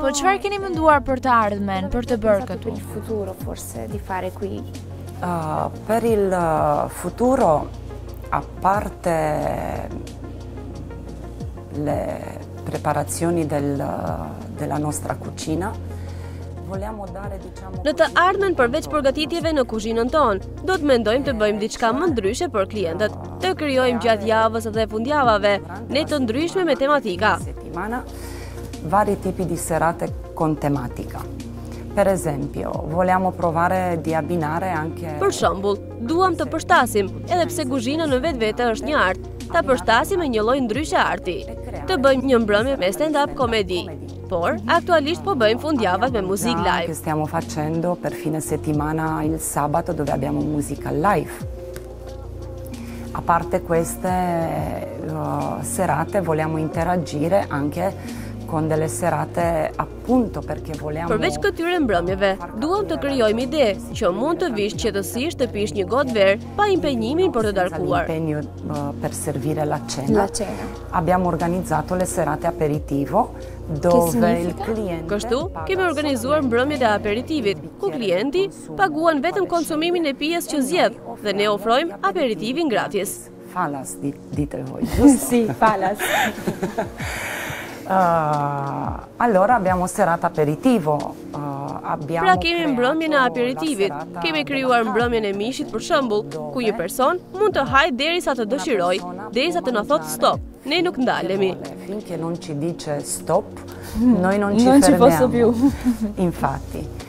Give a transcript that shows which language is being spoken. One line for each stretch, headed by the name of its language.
Albanian: Po çfarë keni menduar për të ardhmen, për të bërë këtu?
Italian: Il futuro forse di fare qui. Per il futuro, a parte le preparazioni della nostra cucina, vogliamo dare, diciamo...
Albanian: Në të ardhmen përveç përgatitjeve në kuzhinën tonë, do të mendojmë të bëjmë diçka më ndryshe për klientët, të krijojmë gjatë javës dhe fundjavave, ne të ndryshme me tematika.
Italian: Settimana, vari tipi di serate con tematica. Per esempio, vogliamo provare di abbinare anche.
Albanian: Për shembull, duam të përshtasim, edhe pse kuzhina në vetvete është një art, ta përshtasim me një lloj ndryshe arti. Të bëjmë një mbrëmje me stand-up komedi. Por aktualisht po bëjmë fundjavat me muzikë live.
Italian: Che stiamo facendo per fine settimana il sabato dove abbiamo musica live. A parte queste serate vogliamo interagire anche con delle serate appunto perché volevamo
Albanian: Përveç këtyre mbrëmjeve, duam të krijojmë ide që mund të vish qetësisht të pish një gotë verë pa impenjimin për të darkuar.
Italian: Per servire la cena. La cena. Abbiamo organizzato le serate aperitivo dove il cliente
Albanian: Kështu, kemi organizuar mbrëmjet e aperitivit, ku klienti paguan vetëm konsumimin e pijes që zgjedh dhe ne ofrojmë aperitivin gratis.
Italian: Falas, dite voi. Sì, falas. Allora abbiamo serata aperitivo.
Albanian: Pra kemi mbrëmjen e aperitivit. Kemi krijuar mbrëmjen e mishit për shembull, ku një person mund të hajë derisa të dëshiroj, derisa të na thotë stop. Ne nuk ndalemi.
Italian: Finché non ci dice stop, noi non ci fermiamo. Non ci posso più. Infatti.